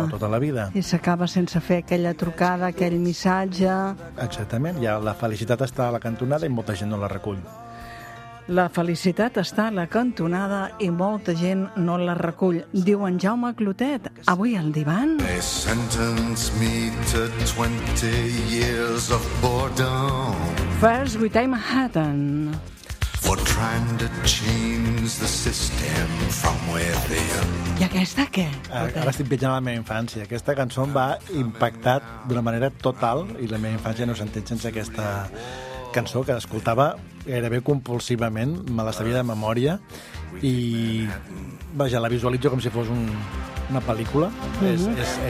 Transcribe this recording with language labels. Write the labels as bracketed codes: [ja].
[ca] O tota la vida. I s'acaba sense fer aquella trucada, aquell missatge. Exactament. Ja la felicitat està a la cantonada i molta gent no la recull. La felicitat està a la cantonada i molta gent no la recull, diu en Jaume Clotet, avui al divan. [en] They sentence me to 20 years of boredom. First we take Manhattan. For trying to change the system from within. [ca] I aquesta què? Ara estic viatjant a la meva infància. Aquesta cançó em va impactar d'una manera total i la meva infància no s'entén sense aquesta cançó que escoltava gairebé compulsivament, me la sabia de memòria i, vaja, la visualitzo com si fos una pel·lícula. Mm-hmm.